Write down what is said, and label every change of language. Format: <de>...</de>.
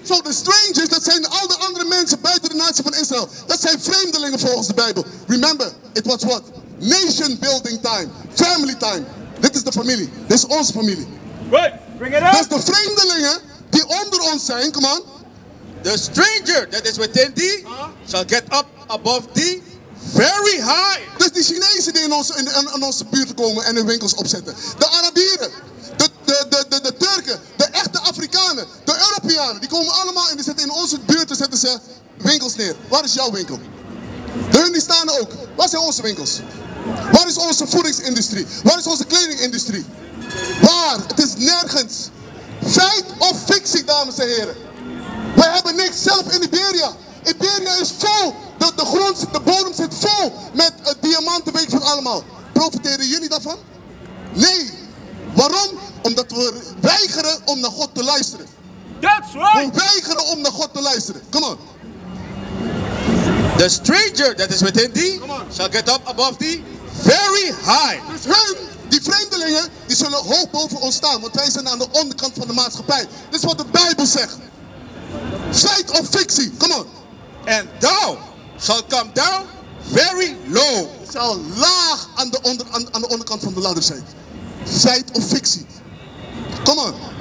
<en>So the strangers,</en> <nl>dat zijn al de andere mensen buiten de natie van Israël. Dat zijn vreemdelingen volgens de Bijbel.</nl> <en>Remember, it was what? Nation building time. Family time.</en> <nl>Dit is de familie. Dit is onze familie.</nl> <en>Right, bring it up.</en> <nl>Dat is de vreemdelingen die onder ons zijn.</nl> <en>Come on. The stranger that is within thee shall get up above thee very high.</en> <nl>Dus die Chinezen die in onze buurt komen en hun winkels opzetten. De Arabieren. De Turken, de echte Afrikanen, de Europeanen, die komen allemaal en die zetten in onze buurt zetten ze winkels neer. Waar is jouw winkel? Hun die staan er ook. Waar zijn onze winkels? Waar is onze voedingsindustrie? Waar is onze kledingindustrie? Waar? Het is nergens. Feit of fictie, dames en heren. We hebben niks zelf in Iberia. Iberia is vol. De grond, de bodem zit vol met diamanten, weet je van allemaal. Profiteren jullie daarvan? Nee. Waarom? Omdat we weigeren om naar God te luisteren.</nl> <en>That's right.</en> <nl>We weigeren om naar God te luisteren.</nl> <en>Come on. The stranger that is within thee shall get up above thee very high.</en> <nl>Dus hun, die vreemdelingen, die zullen hoog boven ons staan. Want wij zijn aan de onderkant van de maatschappij. Dit is wat de Bijbel zegt. Feit of fictie.</nl> <en>Come on. And thou shall come down very low.</en> <nl>Zal laag aan de onderkant van de ladder zijn. Feit of fictie.</nl> <en>Come on.</en>